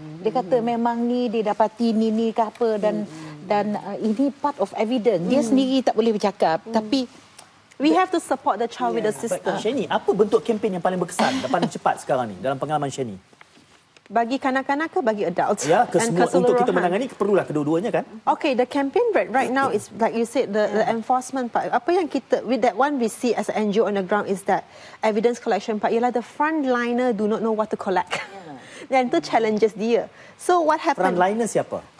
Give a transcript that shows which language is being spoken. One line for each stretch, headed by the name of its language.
Malay: Dia kata memang ni dia dapati ni ke apa dan dan ini part of evidence. Dia sendiri tak boleh bercakap tapi
English: we have to support the child with the system.
Malay: Shani, apa bentuk kempen yang paling berkesan dan paling cepat sekarang ni dalam pengalaman Shani? Bagi kanak-kanak ke bagi adults? Ya, untuk kita menangani perlulah kedua-duanya kan?
English: Okay, the campaign right now is like you said, the enforcement part.
Malay: Apa yang kita,
English: with that one we see as an NGO on the ground is that evidence collection part. Ialah the frontliner do not know what to collect.
Malay: Dan itu challenges dia.
English: So what happened?
Malay: Frontliner siapa?